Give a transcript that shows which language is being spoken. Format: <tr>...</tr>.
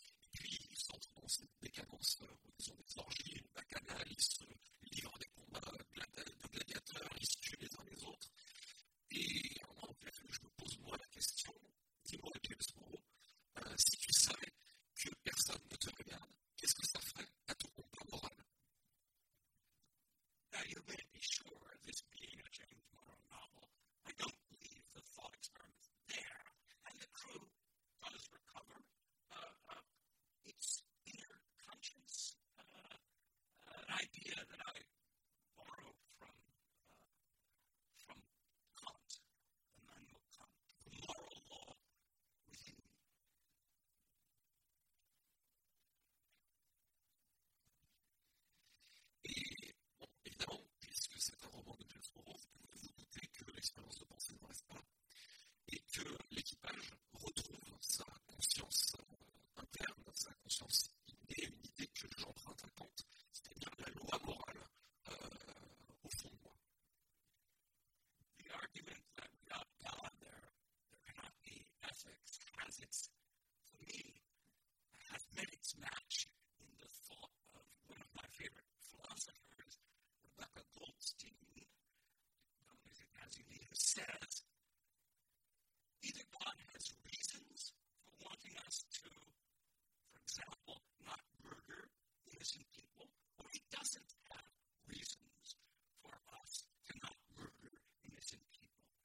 <fr>Et puis, ils s'entrent dans cette décadence, ils ont des orgies, une bacchanale, ils se livrent des combats de gladiateurs, ils se tuent les uns les autres. Et en fait, je me pose moi la question, dis-moi, James Moreau, si tu savais que personne ne te regarde, qu'est-ce que ça ferait à ton compte moral?</fr> <en>Now, you may be sure of this being a James Moreau novel. I don't leave the thought experiment there. And the crew does recover its inner conscience, an idea that I borrowed from Kant, Immanuel Kant, the moral law within me.</en> <fr>Évidemment, puisque c'est un roman de James Moreau, vous pouvez vous douter que l'expérience de pensée ne reste pas et que l'équipage retrouve sa conscience interne, sa conscience innée, une idée que j'emprunte à Kant, c'est-à-dire la loi morale au fond de moi.</fr> <en>The argument that without God there cannot be ethics has its, for me, has made its match in the thought of one of my favorite philosophers. Rebecca Goldstein, as you may have said, either God has reasons for wanting us to, for example, not murder innocent people, or he doesn't have reasons for us to not murder innocent people.</en>